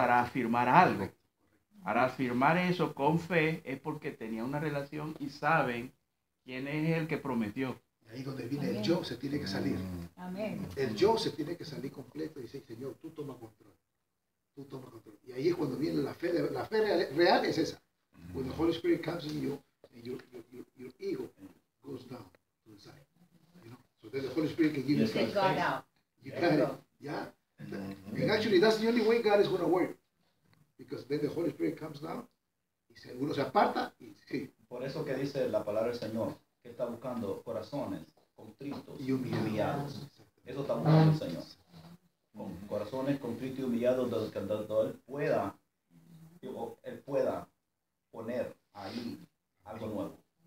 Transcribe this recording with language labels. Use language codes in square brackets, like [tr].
[es] Para afirmar algo. Para afirmar eso con fe es porque tenía una relación y saben quién es el que prometió. Ahí donde viene. Amén. El yo se tiene que salir. Amén. El yo se tiene que salir completo y decir, Señor, tú toma control. Tú toma control. Y ahí es cuando viene la fe. La fe real es esa. [en] When the Holy Spirit comes in you, and your ego goes down to the side. You know? So there's the Holy Spirit can give you faith. You take God out. You got it. Yeah. And actually, that's the only way God is going to work. Because then the Holy Spirit comes down. [es] Y uno se aparta y sí. Por eso que dice la palabra del Señor, que está buscando corazones contritos y humillados. Eso está buscando el Señor. Con corazones contritos y humillados, donde el cantador él pueda poner ahí algo nuevo.